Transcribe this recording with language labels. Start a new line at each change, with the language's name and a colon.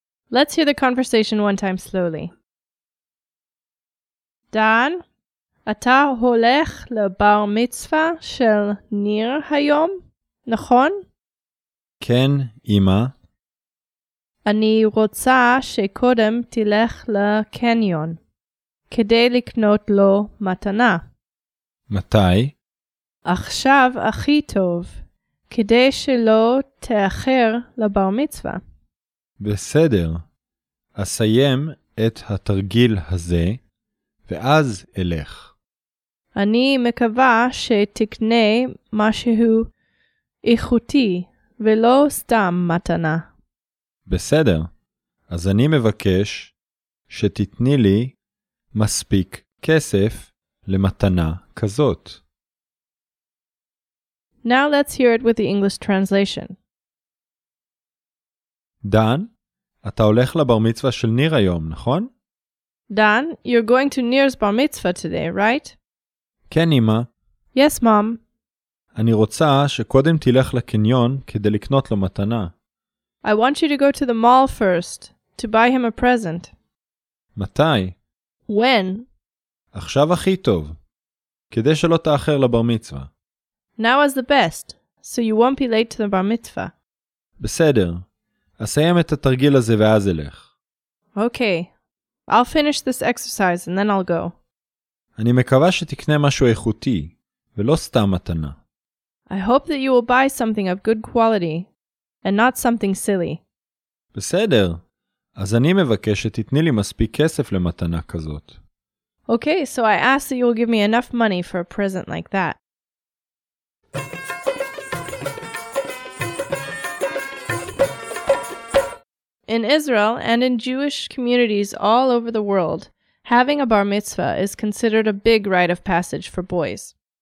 English: Let's hear the conversation one time slowly. Dan?
Hebrew: אתה הולך לבר מצווה של ניר היום, נכון? כן, אמא. אני רוצה שקודם תלך לקניון, כדי לקנות לו מתנה. מתי? עכשיו הכי טוב, כדי שלא תאחר לבר מצווה. בסדר. אסיים את התרגיל הזה, ואז אלך. אני מקווה שתקנה משהו איכותי ולא סתם מתנה. בסדר. אז אני מבקש שתתני לי מספיק כסף למתנה כזאת.
English: Now let's hear it with the English translation.
Hebrew: דן, אתה הולך לבר מצווה של ניר היום, נכון?
English: דן, you're going to Nir's bar mitzvah today, right?
Hebrew: כן, אמא.
English: Yes, mom.
Hebrew: אני רוצה שקודם תלך לקניון כדי לקנות לו מתנה.
English: I want you to go to the mall first, to buy him a present.
Hebrew: מתי?
English: When?
Hebrew: עכשיו הכי טוב, כדי שלא תאחר לבר מצווה.
English: Now is the best, so you won't be late to the bar mitzvah.
Hebrew: בסדר. אסיים את התרגיל הזה ואז אלך.
English: Okay. I'll finish this exercise and then I'll go.
Hebrew: אני מקווה שתקנה משהו איכותי, ולא סתם מתנה.
English: I hope that you will buy something of good quality, and not something silly.
Hebrew: בסדר. אז אני מבקש שתתני לי מספיק כסף למתנה כזאת.
English: Okay, so I ask that you will give me enough money for a present like that. In Israel, and in Jewish communities all over the world, having a bar mitzvah is considered a big rite of passage for boys.